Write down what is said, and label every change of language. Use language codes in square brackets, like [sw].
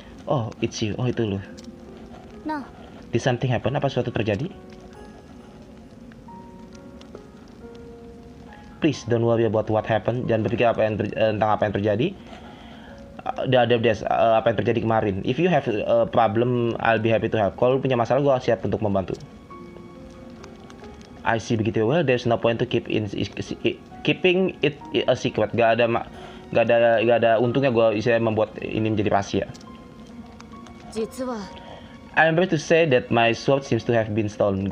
[en] Oh, it's you. [id] Oh, itu lu. [en] No. Did something happen? [id] Apa sesuatu terjadi? [en] Please don't worry about what happened. [id] Jangan berpikir apa yang tentang apa yang terjadi. Apa yang terjadi kemarin. [en] If you have a problem, I'll be happy to help. [id] Kalau punya masalah, gue siap untuk membantu. [en] I see begitu. Well, there's no point to keeping it a secret. [id] Gak ada untungnya gue bisa membuat ini menjadi rahasia. [en] I'm afraid to say that my sword seems to have been stolen.